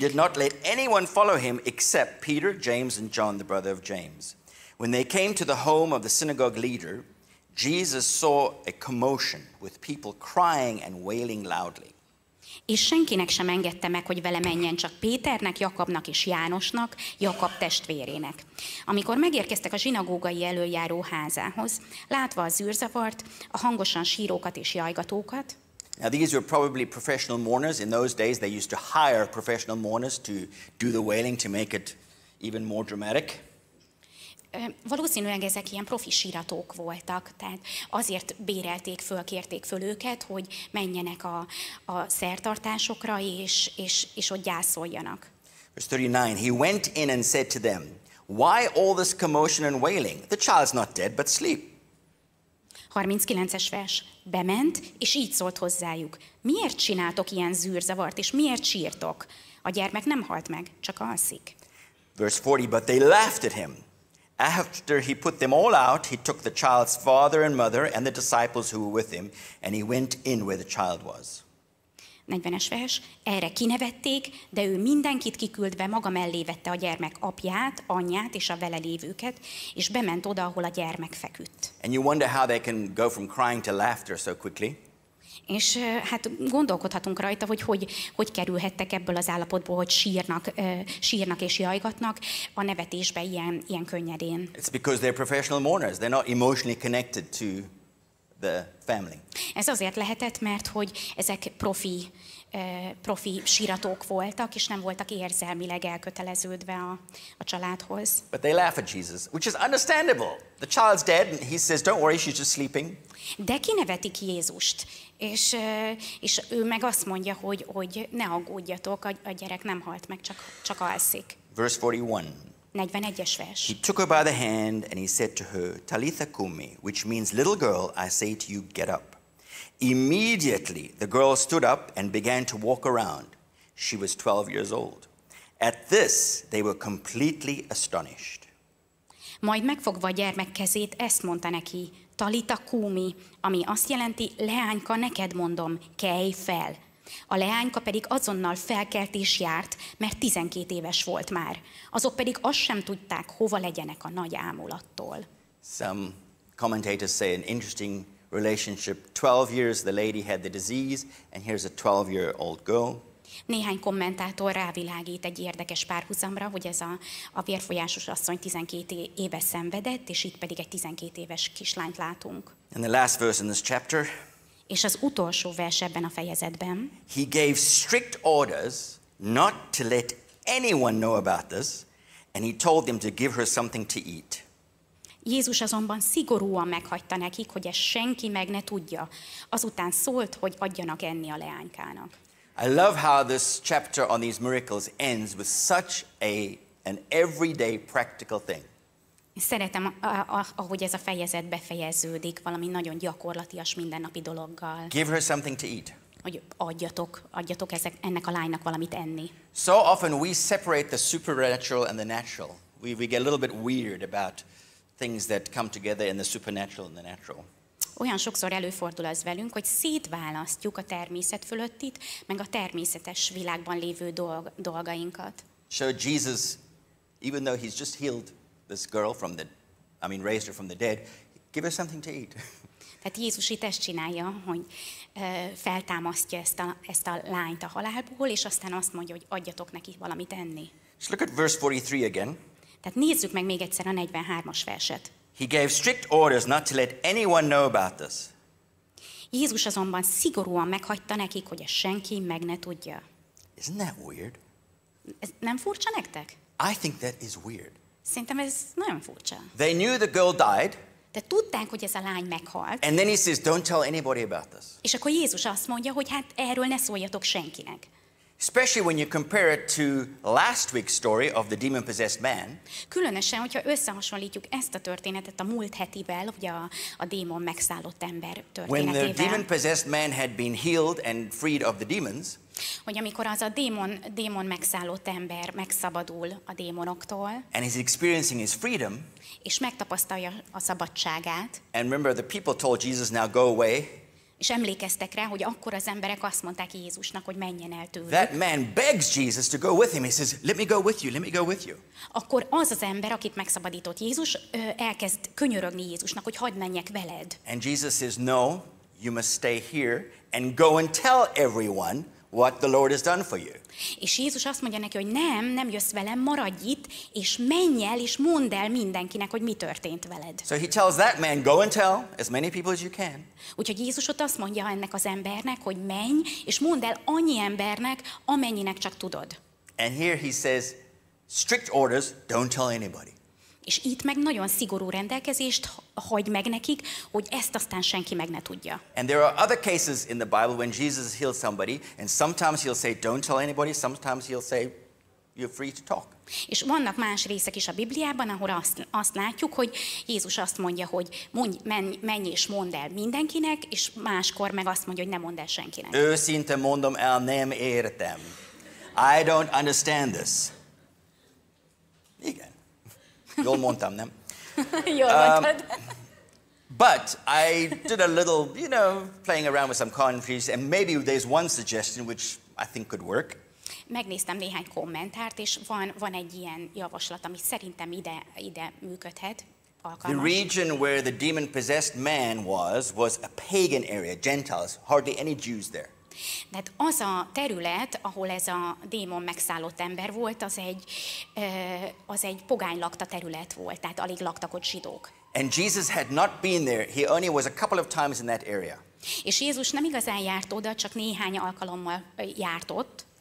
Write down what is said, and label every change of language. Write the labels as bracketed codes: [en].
[en] He did not let anyone follow him except Peter, James and John, the brother of James. When they came to the home of the synagogue leader, Jesus saw a commotion with people crying and wailing loudly. [hu] És senkinek sem engedte meg, hogy vele menjen, csak Péternek, Jakabnak és Jánosnak, Jakab testvérének. Amikor megérkeztek a zsinagógai előjáróházához, látva a zűrzavart, a hangosan sírókat és jajgatókat. [en] Now these were probably professional mourners. In those days they used to hire professional mourners to do the wailing to make it even more dramatic. [hu] Valószínűleg ezek ilyen profi síratók voltak, tehát azért bérelték föl, kérték föl őket, hogy menjenek a szertartásokra, és ott gyászoljanak. [en] Verse 39, he went in and said to them, "Why all this commotion and wailing? The child's not dead, but sleep." [hu] 39-es vers, bement, és így szólt hozzájuk, "Miért csináltok ilyen zűrzavart, és miért sírtok? A gyermek nem halt meg, csak alszik." [en] Verse 40, but they laughed at him. After he put them all out, he took the child's father and mother and the disciples who were with him, and he went in where the child was. [hu] 40-es vers, erre kinevették, de ő mindenkit kiküldve maga mellé vette a gyermek apját, anyját és a vele lévőket, és bement oda, ahol a gyermek feküdt. [en] And you wonder how they can go from crying to laughter so quickly. [hu] És hát gondolkodhatunk rajta, hogy hogy kerülhettek ebből az állapotból, hogy sírnak és jajgatnak a nevetésbe ilyen könnyedén. [en] It's because they're professional mourners. They're not emotionally connected to the family. [hu] Ez azért lehetett, mert hogy ezek profi síratók voltak, és nem voltak érzelmileg elköteleződve a családhoz. [en] But they laugh at Jesus, which is understandable. The child's dead, and he says, "Don't worry, she's just sleeping." [hu] De kinevetik Jézust, és ő meg azt mondja, hogy ne aggódjatok, a gyerek nem halt meg, csak alszik. [en] Verse 41. [hu] 41-es vers. [en] He took her by the hand, and he said to her, "Talitha kumi," which means, "Little girl, I say to you, get up." Immediately the girl stood up and began to walk around. She was 12 years old. At this they were completely astonished. [hu] Majd megfogva a gyermek kezét, ezt mondta neki, Talita kumi, ami azt jelenti, leányka, neked mondom, kelj fel. A leányka pedig azonnal felkelt és járt, mert 12 éves volt már. Azok pedig azt sem tudták, hova legyenek a nagy ámulattól. [en] Some commentators say an interesting relationship, 12 years the lady had the disease, and here's a 12-year-old girl. [hu] Néhány kommentátor rávilágít egy érdekes párhuzamra, hogy ez a vérfolyásos asszony 12 éve szenvedett, és itt pedig egy 12 éves kislányt látunk. [en] And the last verse in this chapter. [hu] És az utolsó vers ebben a fejezetben. [en] He gave strict orders not to let anyone know about this, and he told them to give her something to eat. [hu] Jézus azonban szigorúan meghagyta nekik, hogy ezt senki meg ne tudja. Azután szólt, hogy adjanak enni a leánykának. [en] I love how this chapter on these miracles ends with such an everyday practical thing. [hu] Szeretem, ahogy ez a fejezet befejeződik, valami nagyon gyakorlatias mindennapi dologgal. [en] Give her something to eat. [hu] Hogy adjatok ennek a lánynak valamit enni. [en] So often we separate the supernatural and the natural. We get a little bit weird about things that come together in the supernatural and the natural. [hu] Olyan sokszor előfordul az velünk, hogy szétválasztjuk a természet fölöttit, meg a természetes világban lévő dolgainkat. [en] So Jesus, even though he's just healed this girl from the, I mean raised her from the dead, give her something to eat. [hu] Tehát Jézus itt ezt csinálja, hogy feltámasztja ezt a lányt a halálból, és aztán azt mondja, hogy adjatok neki valamit enni. [en] So look at verse 43 again. [hu] Tehát nézzük meg még egyszer a 43-as verset. [en] He gave strict orders not to let anyone know about this. [hu] Jézus azonban szigorúan meghagyta nekik, hogy ezt senki meg ne tudja. [en] Isn't that weird? [hu] Ez nem furcsa nektek? [en] I think that is weird. [hu] Szerintem ez nagyon furcsa. [en] They knew the girl died. [hu] De tudták, hogy ez a lány meghalt. [en] And then he says, don't tell anybody about this. [hu] És akkor Jézus azt mondja, hogy hát erről ne szóljatok senkinek. [en] Especially when you compare it to last week's story of the demon-possessed man. [hu] Különösen, hogyha összehasonlítjuk ezt a történetet a múlt hetivel, ugye a démon megszállott ember történetével. [en] When the demon-possessed man had been healed and freed of the demons. [hu] Hogy amikor az a démon megszállott ember megszabadul a démonoktól. [en] And he's experiencing his freedom. [hu] És megtapasztalja a szabadságát. [en] And remember, the people told Jesus, now go away. [hu] És emlékeztek rá, hogy akkor az emberek azt mondták Jézusnak, hogy menjen el tőlük. [en] That man begs Jesus to go with him. He says, let me go with you, let me go with you. [hu] Akkor az az ember, akit megszabadított Jézus, elkezd könyörögni Jézusnak, hogy hadd menjek veled. [en] And Jesus says, no, you must stay here and go and tell everyone what the Lord has done for you. [hu] És Jézus azt mondja neki, hogy nem jössz velem, maradj itt, és menj el, és mondd el mindenkinek, hogy mi történt veled. [en] So he tells that man, go and tell as many people as you can. [hu] Úgyhogy Jézus ott azt mondja ennek az embernek, hogy menj, és mondd el annyi embernek, amennyinek csak tudod. [en] And here he says, strict orders, don't tell anybody. [hu] És itt meg nagyon szigorú rendelkezést hagy meg nekik, hogy ezt aztán senki meg ne tudja. [en] And there are other cases in the Bible when Jesus heals somebody, and sometimes he'll say, don't tell anybody, sometimes he'll say, you're free to talk. [hu] És vannak más részek is a Bibliában, ahol azt látjuk, hogy Jézus azt mondja, hogy menj és mondd el mindenkinek, és máskor meg azt mondja, hogy ne mondd el senkinek. Őszinte mondom el, nem értem. [en] I don't understand this. [hu] Igen. Jól mondtam, nem? Jól mondtad. [en] But I did a little, you know, playing around with some commentaries, and maybe there's one suggestion which I think could work. [hu] Megnéztem néhány kommentárt, és van egy ilyen javaslat, ami szerintem ide működhet, alkalmas. [en] The region where the demon-possessed man was a pagan area, Gentiles, hardly any Jews there. [hu] De az a terület, ahol ez a démon megszállott ember volt, az egy pogány lakta terület volt, tehát alig laktak ott zsidók. [en] And Jesus had not been there. He only was a couple of times in that area. [hu] És Jézus nem igazán járt oda, csak néhány alkalommal járt ott.